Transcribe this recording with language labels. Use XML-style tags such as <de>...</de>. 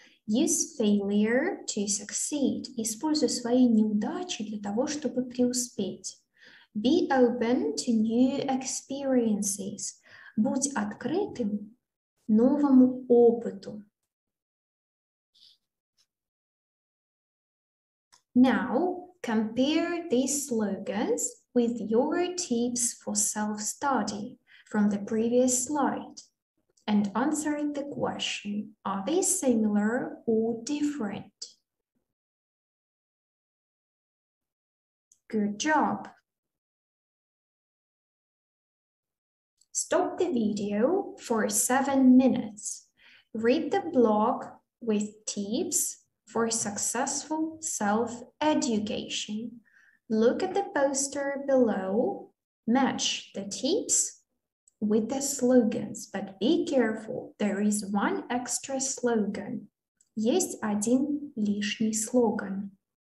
<en>Use failure to succeed.</en> <ru>Используй свои неудачи для того, чтобы преуспеть.</ru> <en>Be open to new experiences.</en> <ru>Будь открытым новому опыту.</ru> <en>Now, compare these slogans with your tips for self-study from the previous slide and answer the question, are they similar or different? Good job! Stop the video for 7 minutes. Read the blog with tips for successful self-education. Look at the poster below. Match the tips with the slogans, but be careful. There is one extra slogan.</en> <ru>Есть один лишний слоган.</ru>